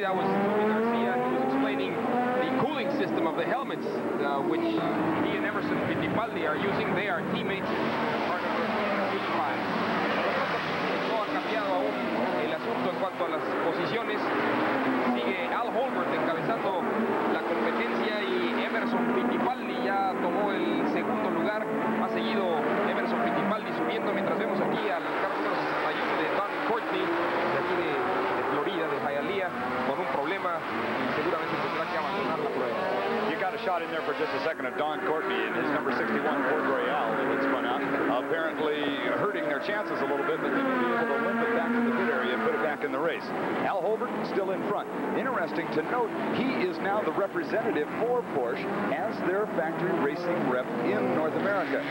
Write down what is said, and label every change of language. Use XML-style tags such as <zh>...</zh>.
<en>That was Tony Garcia, who was explaining the cooling system of the helmets, which he and Emerson Fittipaldi are using. They are teammates, part of the team.</en> <es>No ha cambiado aún el asunto en cuanto a las posiciones. Sigue Al Holbert encabezando la competencia y Emerson Fittipaldi ya tomó el segundo lugar. Ha seguido Emerson Fittipaldi subiendo, mientras vemos aquí al carro 61 de Don Courtney, de aquí de Florida, de Hialeah, con un problema y seguramente tendrá que abandonar la prueba.</es> <en>Shot in there for just a second of Don Courtney and his number 61 Ford Royale that had spun out, apparently hurting their chances a little bit, but they may be able to limp it back to the pit area and put it back in the race. Al Holbert still in front. Interesting to note, he is now the representative for Porsche as their factory racing rep in North America.</en>